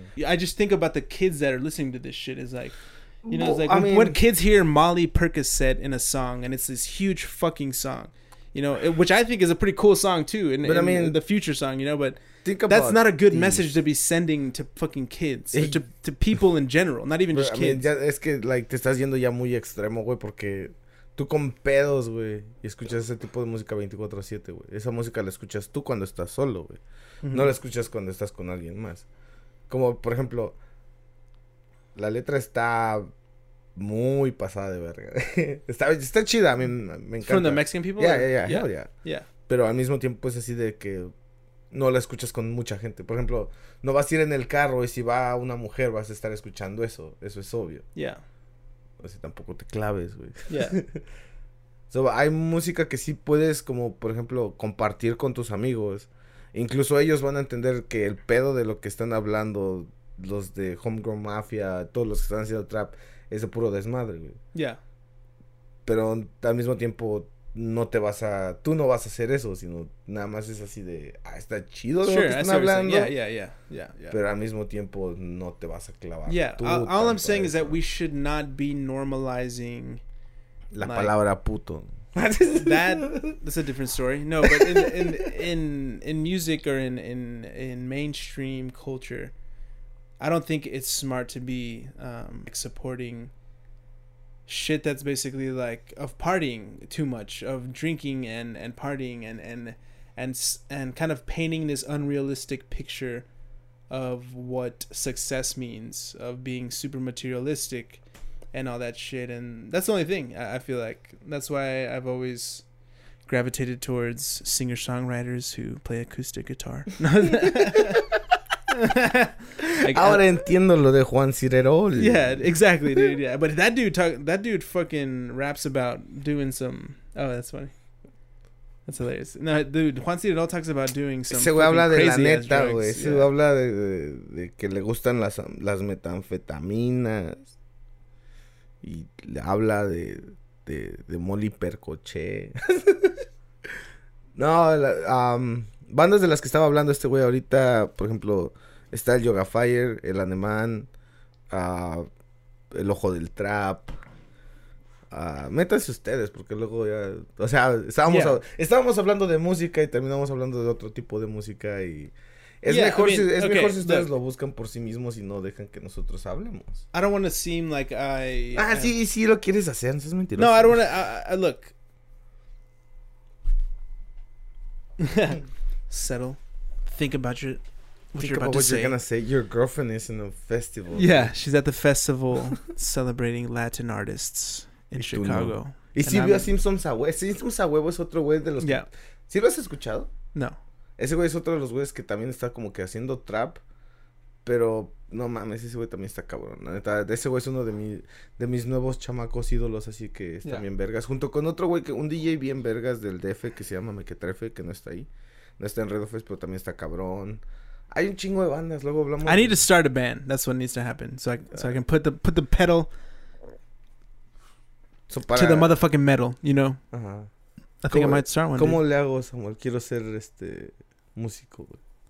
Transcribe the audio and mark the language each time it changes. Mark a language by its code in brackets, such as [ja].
[en] Yeah. I just think about the kids that are listening to this shit is like, you know, when kids hear Molly Percocet in a song, and it's this huge fucking song, you know, which I think is a pretty cool song too. And the future song, you know, but think about that's not a good message to be sending to fucking kids, to people in general, not even just kids. [es] Ya, es que, like, te estás yendo ya muy extremo, güey, porque tú con pedos, güey, y escuchas ese tipo de música 24/7, güey. Esa música la escuchas tú cuando estás solo, güey. No la escuchas cuando estás con alguien más. Como, por ejemplo, la letra está muy pasada de verga. Está chida, a mí me encanta. [en] From the Mexican people? Yeah. [es] Pero al mismo tiempo es así de que no la escuchas con mucha gente. Por ejemplo, no vas a ir en el carro y si va una mujer vas a estar escuchando eso. Eso es obvio. [en] Yeah. [es] O sea, tampoco te claves, güey. [en] Yeah. [es] So, hay música que sí puedes, como, por ejemplo, compartir con tus amigos. Incluso ellos van a entender que el pedo de lo que están hablando los de Homegrown Mafia, todos los que están haciendo trap, es de puro desmadre, güey. [en] Yeah. [es] Pero al mismo tiempo, tú no vas a hacer eso, sino nada más es así de, ah, está chido lo que están hablando. [en] Yeah. [es] Pero al mismo tiempo, no te vas a clavar. [en] Yeah. All I'm saying is that we should not be normalizing [es] la palabra puto. [en] That's a different story. No, but in music or in mainstream culture, I don't think it's smart to be supporting shit that's basically like of partying too much, of drinking and partying and kind of painting this unrealistic picture of what success means, of being super materialistic and all that shit. And that's the only thing I feel like. That's why I've always gravitated towards singer-songwriters who play acoustic guitar. [es] Ahora entiendo lo de Juan Cirerol. [en] Yeah, exactly, dude. Yeah, but that dude fucking raps about doing some. Oh, that's funny. That's hilarious. No, dude, Juan Cirerol talks about doing some. [es] Se habla de la neta, güey. Se habla de que le gustan las metanfetaminas y habla de Molly Percoche. No, bandas de las que estaba hablando este güey ahorita, por ejemplo. Está el Yoga Fire, el Alemán, el Ojo del Trap. Métanse ustedes, porque luego ya. O sea, estábamos hablando de música y terminamos hablando de otro tipo de música. Y mejor si ustedes lo buscan por sí mismos y no dejan que nosotros hablemos. [en] I don't want to seem like I. [es] Sí, lo quieres hacer, no es mentira. [en] No, I don't want to. Look. Settle. Think about your. What you're gonna say? Your girlfriend is in a festival. Yeah, she's at the festival celebrating Latin artists in Chicago. [es] ¿Y si vio a Simpsons a huevo? Simpsons a huevo es otro güey de los. [en] Yeah. [es] ¿Sí lo has escuchado? No. Ese güey es otro de los güeyes que también está como que haciendo trap, pero no mames, ese güey también está cabrón. La neta, ese güey es uno de mis nuevos chamacos ídolos, así que están bien vergas. Junto con otro güey que un DJ bien vergas del DF que se llama Mequetrefe, que no está ahí, no está en Red Office, pero también está cabrón. Hay un chingo de bandas, luego hablamos. [en] I need to start a band. That's what needs to happen. So I can put the pedal to the motherfucking metal, you know? Uh-huh. I think I might start one. [es] ¿Cómo le hago, Samuel? Quiero ser músico, güey.